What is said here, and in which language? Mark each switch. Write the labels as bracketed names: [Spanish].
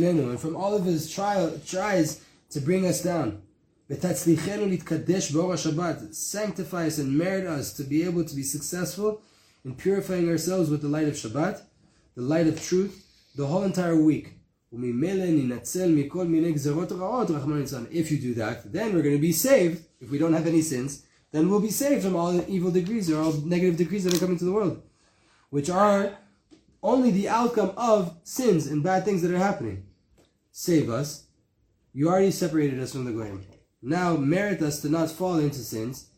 [English] And from all of his tries to bring us down. [Hebrew] ותצליחנו להתקדש באור השבת. [English] Sanctify us and merit us to be able to be successful in purifying ourselves with the light of Shabbat, the light of truth, the whole entire week. [Hebrew] וממילא ננצל מכל מיני גזרות רעות, רחמנא ליצלן. [English] If you do that, then we're going to be saved. If we don't have any sins, then we'll be saved from all the evil decrees or all negative decrees that are coming to the world, which are only the outcome of sins and bad things that are happening. Save us. You already separated us from the goyim. Now merit us to not fall into sins.